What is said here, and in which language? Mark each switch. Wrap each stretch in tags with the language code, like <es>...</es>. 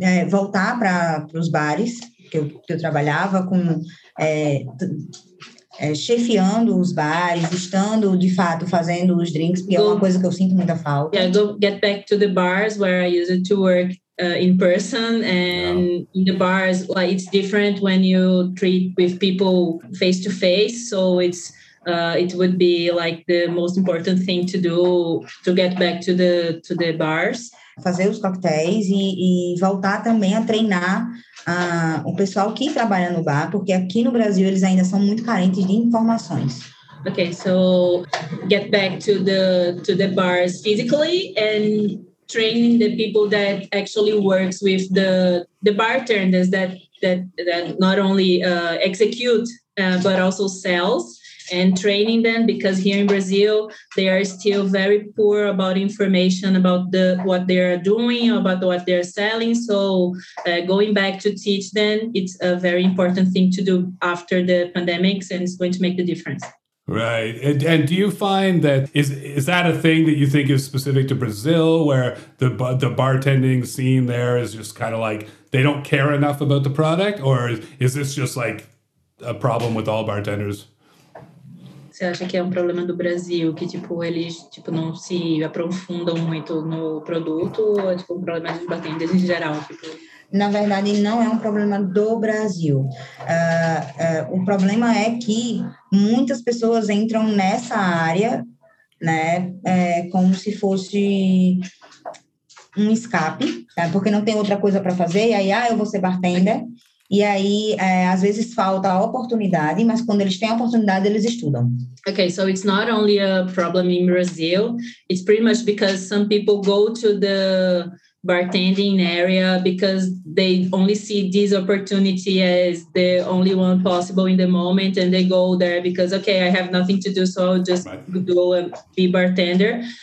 <pt>Voltar para os bares, que eu trabalhava com... chefiando os bares, estando de fato fazendo os drinks, porque é uma coisa que eu sinto muita falta.</pt> <en>Yeah, go get back to the bars where I used to work in person, and yeah. In the bars, like, it's different when you treat with people face to face, so it's it would be like the most important thing to do to get back to the bars.</en> <pt>Fazer os coquetéis e voltar também a treinar o pessoal que trabalha no bar, porque aqui no Brasil eles ainda são muito carentes de informações.</pt> <en>Okay, so get back to the bars physically and training the people that actually works with the bartenders that not only execute but also sells. And training them, because here in Brazil, they are still very poor about information about what they are doing, about what they are selling. So going back to teach them, it's a very important thing to do after the pandemics, and it's going to make the difference. Right. And do you find that, is that a thing that you think is specific to Brazil, where the bartending scene there is just kind of like, they don't care enough about the product? Or is this just like a problem with all bartenders?</en> <pt>Você acha que é um problema do Brasil, que tipo, eles tipo, não se aprofundam muito no produto, ou é tipo, um problema dos bartenders em geral? Tipo... Na verdade, não é um problema do Brasil. O problema é que muitas pessoas entram nessa área, né, como se fosse um escape, tá? Porque não tem outra coisa para fazer, e aí, ah, eu vou ser bartender. E aí, às vezes falta a oportunidade, mas quando eles têm a oportunidade, eles estudam.</pt> <en>Okay, so it's not only a problem in Brazil. It's pretty much because some people go to the bartending area because they only see this opportunity as the only one possible in the moment, and they go there because, okay, I have nothing to do, so I'll just go and be bartender.</en>